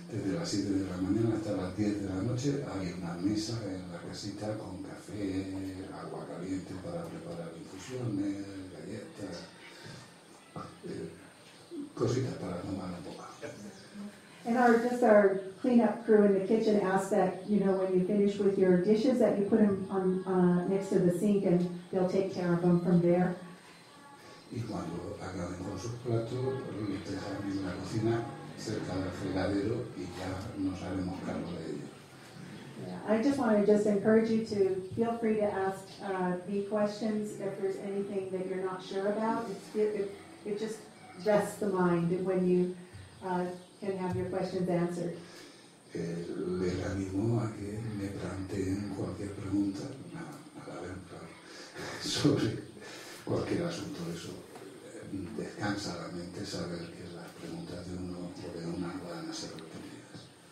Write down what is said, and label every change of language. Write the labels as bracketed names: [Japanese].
[Spanish] Desde las 7 de la mañana hasta las 10 de la noche hay una mesa en la casita con café, agua caliente para preparar infusiones, galletas, cositas para tomar un poco. [English] And our cleanup crew in the kitchen asked that, you know, when you finish with your dishes, that you put them on next to the sink and they'll take care of them from there. [Spanish] Y cuando acaben con sus platos, los dejan en la cocina cerca del fregadero y ya nos haremos cargo de ellos. [English] Yeah, I just want to just encourage you to feel free to ask me questions if there's anything that you're not sure about. It just rests the mind when you can have your questions answered. [Spanish] Les animo a que me planteen cualquier pregunta, nada, a ver, claro, sobre cualquier asunto de eso. Descansa la mente saber que las preguntas de uno o de una van a ser retenidas.